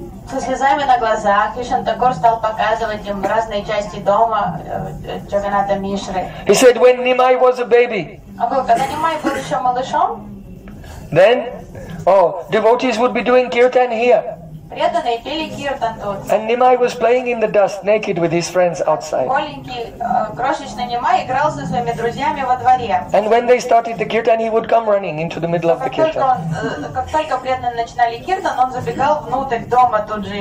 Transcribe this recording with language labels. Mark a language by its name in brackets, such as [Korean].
[Russian] Со слезами на глазах Ishan Thakur стал показывать им разные части дома Джаганната Мишры. [English] He said, when Nimai was a baby. [Russian] А был, когда Nimai был еще малышом. [English] Then, oh, devotees would be doing kirtan here. [Russian] Преданные пели киртан тут. [English] And Nimai was playing in the dust, naked with his friends outside. [Russian] Маленький, крошечный Nimai играл со своими друзьями во дворе. [English] And when they started the kirtan, he would come running into the middle of the kirtan. [Russian] Как только преданные начинали киртан, он забегал внутрь дома тут же.